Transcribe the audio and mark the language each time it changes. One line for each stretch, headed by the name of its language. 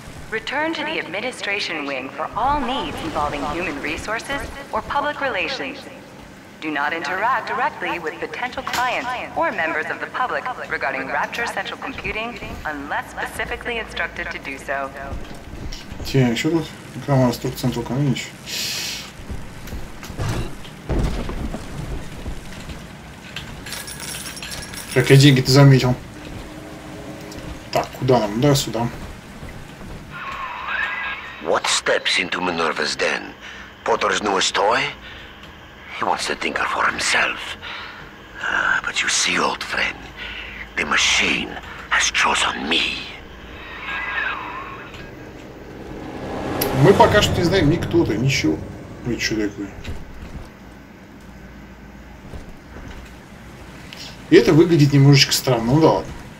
English: Return to the administration wing for all needs involving human resources or public relations. Do not interact directly with potential clients or members of the public regarding Rapture Central Computing unless specifically instructed to do so.
Russian: Тень, что тут? Какая у нас тут Central Community? Какие деньги ты заметил? Так, куда нам? Да, сюда.
English: What steps into Minerva's den? Potter's newest toy? He wants the thinker for himself. But you see, old friend, the machine has chosen me.
Russian: Мы пока что не знаем ни кто ты, ничего. Ничего такое. И это выглядит немножечко странно, ну да ладно.